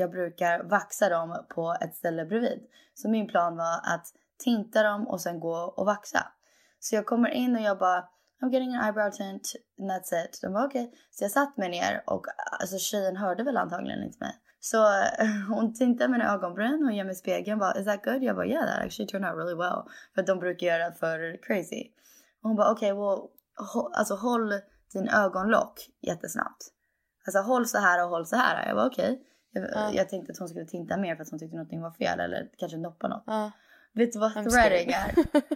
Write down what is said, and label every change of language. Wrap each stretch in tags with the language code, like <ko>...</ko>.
<sv>Jag brukar vaxa dem på ett ställe bredvid. Så min plan var att tinta dem och sen gå och vaxa. Så jag kommer in och jag bara,</sv> <en>I'm getting an eyebrow tint, and that's it.</en> <sv>De bara, okay. Så jag satt mig ner och alltså, tjejen hörde väl antagligen inte mig. Så hon tintade mina ögonbryn och gör mig spegeln.</sv> <en>Bara, is that good?</en> <sv>Jag bara,</sv> <en>yeah, that actually turned out really well.</en> <sv>För de brukar göra för crazy. Och hon bara,</sv> <en>okay, well,</en> <sv>håll din ögonlock jättesnabbt. Alltså håll så här och håll så här. Jag var okej. Jag tänkte att hon skulle tinta mer för att hon tyckte någonting var fel. Eller kanske noppa något. Vet du vad threading är?</sv>